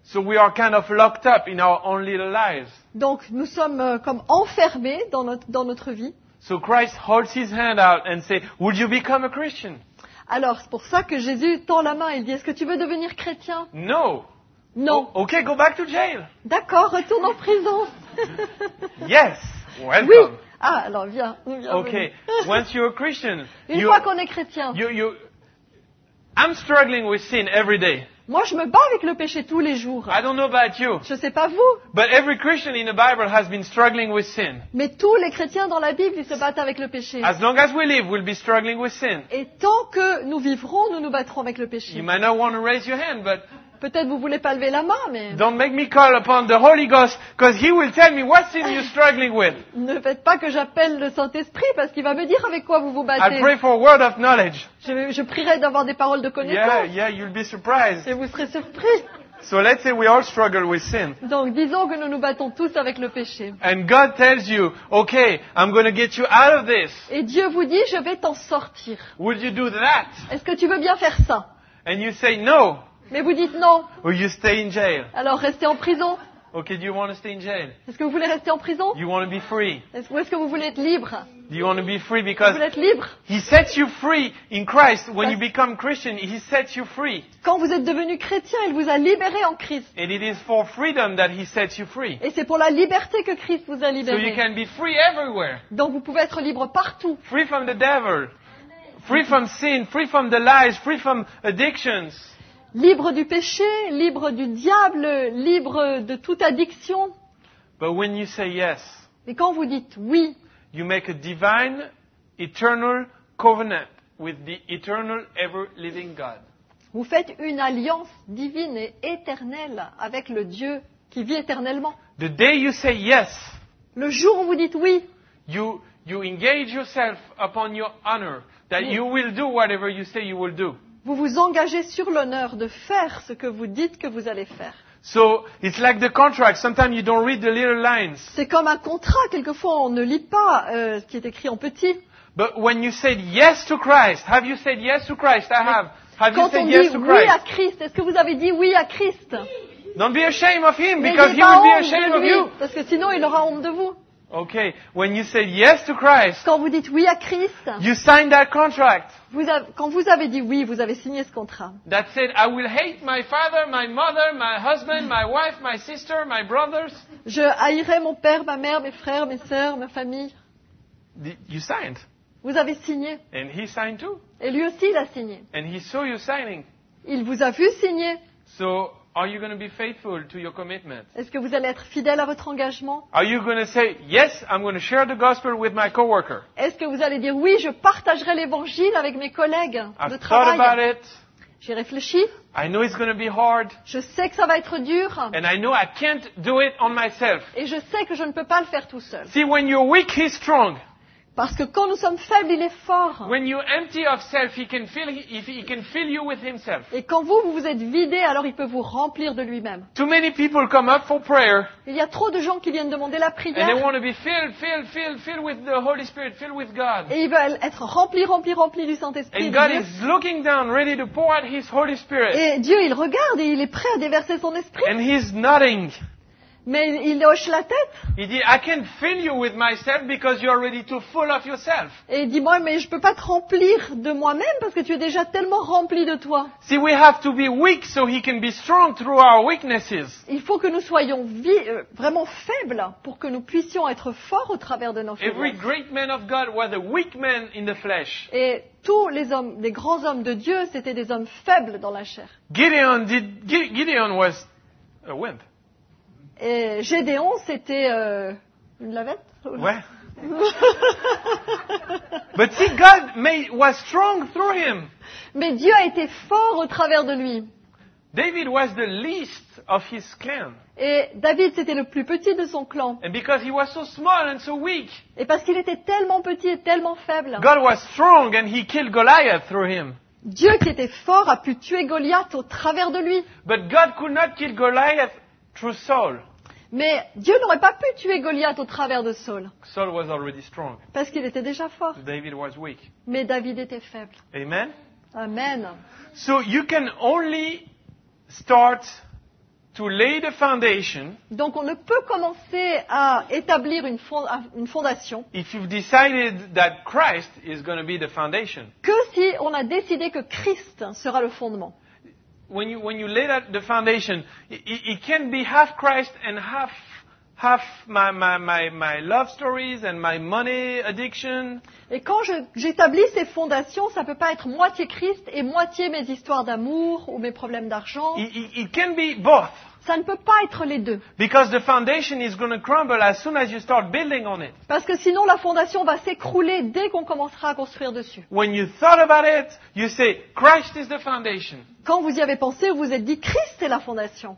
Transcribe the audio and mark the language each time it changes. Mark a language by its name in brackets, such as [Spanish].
[English] So we are kind of locked up in our own little lives. [French] Donc nous sommes comme enfermés dans notre vie. [English] So Christ holds his hand out and says, "Would you become a Christian?" [French] Alors, c'est pour ça que Jésus tend la main. Il dit, "Est-ce que tu veux devenir chrétien?" [English] No. [French] Non. [English] Okay, go back to jail. [French] D'accord, retourne en prison. [English] Yes. Welcome. [French] Oui. Ah, alors viens. [English] Okay. Once you're a Christian, [French] fois qu'on est chrétien. [English] I'm struggling with sin every day. [French] Moi, je me bats avec le péché tous les jours. [English] I don't know about you. [French] Je ne sais pas vous. [English] But every Christian in the Bible has been struggling with sin. [French] Mais tous les chrétiens dans la Bible, ils se battent avec le péché. [English] As long as we live, we'll be struggling with sin. [French] Et tant que nous vivrons, nous nous battrons avec le péché. [English] You might not want to raise your hand, but [French] peut-être vous voulez pas lever la main, mais [English] don't make me call upon the Holy Ghost, because he will tell me what sin you're struggling with. [French] Ne faites pas que j'appelle le Saint-Esprit, parce qu'il va me dire avec quoi vous vous battez. [English] I pray for a word of knowledge. [French] Je prierai d'avoir des paroles de connaissance. [English] Yeah, you'll be surprised. [French] Et vous serez surpris. [English] So let's say we all struggle with sin. [French] Donc disons que nous nous battons tous avec le péché. [English] And God tells you, okay, I'm going to get you out of this. [French] Et Dieu vous dit, je vais t'en sortir. [English] Would you do that? [French] Est-ce que tu veux bien faire ça? [English] And you say no. [French] Mais vous dites non. [English] Or you stay in jail. [French] Alors restez en prison. [English] Okay, do you want to stay in jail? [French] Est-ce que vous voulez rester en prison? [English] You want to be free. [French] Est-ce que vous voulez être libre? [English] Do you want to be free because [French] vous voulez être libre? [English] He sets you free in Christ. When you become Christian, he sets you free. [French] Quand vous êtes devenu chrétien, il vous a libéré en Christ. [English] And it is for freedom that he sets you free. [French] Et c'est pour la liberté que Christ vous a libéré. [English] So you can be free everywhere. [French] Donc vous pouvez être libre partout. [English] Free from the devil. Free from sin, free from the lies, free from addictions. [French] Libre du péché, libre du diable, libre de toute addiction. [English] But when you say yes, [French] et quand vous dites oui, [English] you make a divine, eternal covenant with the eternal, ever-living God. [French] Vous faites une alliance divine et éternelle avec le Dieu qui vit éternellement. [English] The day you say yes, [French] le jour où vous dites oui, [English] you engage yourself upon your honor that you will do whatever you say you will do. [French] Vous vous engagez sur l'honneur de faire ce que vous dites que vous allez faire. [English] So it's like the contract. Sometimes you don't read the little lines. [French] C'est comme un contrat. Quelquefois, on ne lit pas ce qui est écrit en petit. [English] But when you said yes to Christ, have you said yes to Christ? I have. Have [French] quand [English] you [French] on [English] said [French] dit [English] yes to Christ? [French] Oui à Christ, est-ce que vous avez dit oui à Christ? [English] Don't be ashamed of him because he will be ashamed [French] lui, [English] of you. [French] Parce que sinon il aura honte de vous. [English] Okay, when you said yes to Christ. [French] Quand vous dites oui à Christ. [English] You signed that contract. [French] Quand vous avez dit oui, vous avez signé ce contrat. [English] That said, I will hate my father, my mother, my husband, my wife, my sister, my brothers. [French] Je haïrai mon père, ma mère, mes frères, mes sœurs, ma famille. [English] You signed. [French] Vous avez signé. [English] And he signed too. [French] Et lui aussi, il a signé. [English] And he saw you signing. [French] Il vous a vu signer. [English] So, are you going to be faithful to your commitment? [French] Est-ce que vous allez être fidèle à votre engagement? [English] Are you going to say, yes, I'm going to share the gospel with my coworker? [French] Est-ce que vous allez dire, oui, je partagerai l'évangile avec mes collègues de travail? [English] I've thought about it. [French] J'ai réfléchi. [English] I know it's going to be hard. [French] Je sais que ça va être dur. [English] And I know I can't do it on myself. [French] Et je sais que je ne peux pas le faire tout seul. [English] See, when you're weak, he's strong. [French] Parce que quand nous sommes faibles, il est fort. [English] When you're empty of self, he can fill you with himself. [French] Et quand vous vous êtes vidé, alors il peut vous remplir de lui-même. [English] Too many people come up for prayer. [French] Il y a trop de gens qui viennent demander la prière. [English] And they want to be filled with the Holy Spirit, filled with God. [French] Et ils veulent être remplis du Saint-Esprit. [English] And God is looking down, ready to pour out his Holy Spirit. [French] Et Dieu, il regarde et il est prêt à déverser son esprit. [English] And he's nodding. [French] Mais il hoche la tête. [English] He dit, I can't fill you with myself because you're already too full of yourself. [French] Et il dit, moi, mais je peux pas te remplir de moi-même parce que tu es déjà tellement rempli de toi. [English] See, we have to be weak so he can be strong through our weaknesses. [French] Il faut que nous soyons vraiment faibles pour que nous puissions être forts au travers de nos faiblesses. [English] Every great man of God was a weak man in the flesh. [French] Et tous les hommes, les grands hommes de Dieu, c'était des hommes faibles dans la chair. [English] Gideon was a wimp. [French] Et Gédéon, c'était une lavette. Ouais. [English] But see, God was strong through him. [French] Mais Dieu a été fort au travers de lui. [English] David was the least of his clan. [French] Et David, c'était le plus petit de son clan. [English] And because he was so small and so weak. [French] Et parce qu'il était tellement petit et tellement faible. [English] God was strong and he killed Goliath through him. [French] Dieu, qui était fort, a pu tuer Goliath au travers de lui. [English] But God could not kill Goliath. Through Saul. [French] Mais Dieu n'aurait pas pu tuer Goliath au travers de Saul. [English] Saul was already strong. [French] Parce qu'il était déjà fort. [English] David was weak. [French] Mais David était faible. [English] Amen. [French] Amen. [English] So you can only start to lay the foundation. [French] Donc on ne peut commencer à établir une fondation. [English] If you've decided that Christ is going to be the foundation. [French] Que si on a décidé que Christ sera le fondement. [English] When you lay that the foundation, it can't be half Christ and half my love stories and my money addiction. [French] Et quand j'établis ces fondations, ça peut pas être moitié Christ et moitié mes histoires d'amour ou mes problèmes d'argent. [English] It can be both. [French] Ça ne peut pas être les deux. [English] Because the foundation is going to crumble as soon as you start building on it. [French] Parce que sinon la fondation va s'écrouler dès qu'on commencera à construire dessus. [English] When you thought about it, you say Christ is the foundation. [French] Quand vous y avez pensé, vous vous êtes dit Christ est la fondation.